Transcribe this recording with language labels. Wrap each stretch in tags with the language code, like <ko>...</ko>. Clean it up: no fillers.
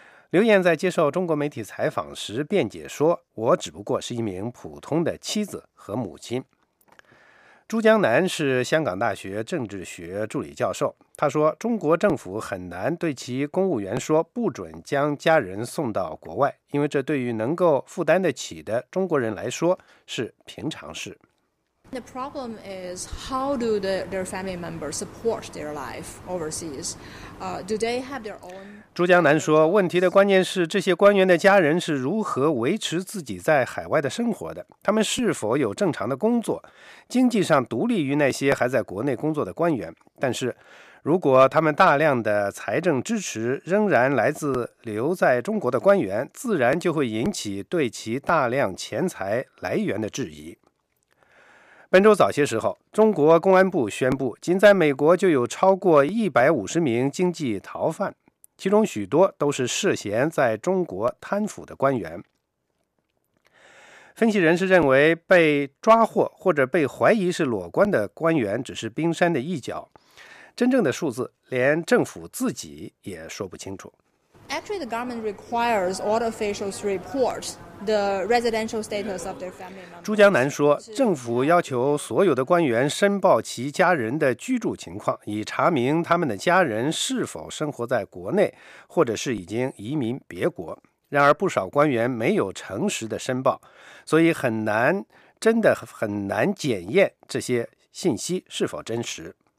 <zh>刘燕在接受中国媒体采访时辩解说，我只不过是一名普通的妻子和母亲。朱江南是香港大学政治学助理教授，他说中国政府很难对其公务员说不准将家人送到国外，因为这对于能够负担得起的中国人来说是平常事。</zh> <en>The problem is how do their family members support their life overseas? Do they have their own?</en> <zh>朱江南说，问题的关键是这些官员的家人是如何维持自己在海外的生活的？他们是否有正常的工作？经济上独立于那些还在国内工作的官员？但是，如果他们大量的财政支持仍然来自留在中国的官员，自然就会引起对其大量钱财来源的质疑。本周早些时候，中国公安部宣布，仅在美国就有超过150名经济逃犯，其中许多都是涉嫌在中国贪腐的官员。分析人士认为，被抓获或者被怀疑是裸官的官员只是冰山的一角，真正的数字连政府自己也说不清楚。</zh> <en>Actually, the government requires all officials report the residential status of their family members.</en> <zh>朱江南说，政府要求所有的官员申报其家人的居住情况，以查明他们的家人是否生活在国内，或者是已经移民别国。然而，不少官员没有诚实的申报，所以很难，真的很难检验这些信息是否真实。</zh>